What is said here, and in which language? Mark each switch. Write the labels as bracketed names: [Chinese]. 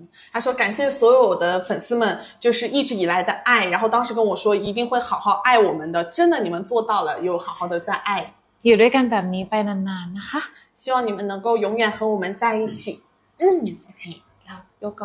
[Chinese] 他说感谢所有的粉丝们就是一直以来的爱然后当时跟我说一定会好好爱我们的真的你们做到了有好好的在爱 [Thai] อยู่ด้วยกันแบบนี้ไปนานๆนะคะ [Chinese] 希望你们能够永远和我们在一起OK [Thai] แล้วโยโก